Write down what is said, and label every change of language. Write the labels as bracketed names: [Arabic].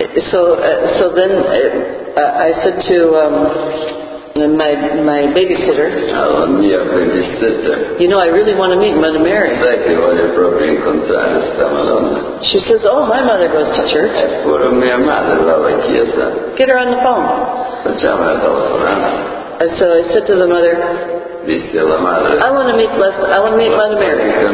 [English] So then I said to my babysitter. [Italian] La mia babysitter. [English] You know, I really want to meet Mother Mary. [Italian] Sai che voglio proprio incontrare sta Madonna. [English] She says, oh, my mother goes to church. [Italian] Eppure mia madre va alla chiesa. [English] Get her on the phone. [Italian] Facciamo una telefonata. [English] So I said to the mother. [Italian] Disse alla madre. [English] I want to meet Mother Mary.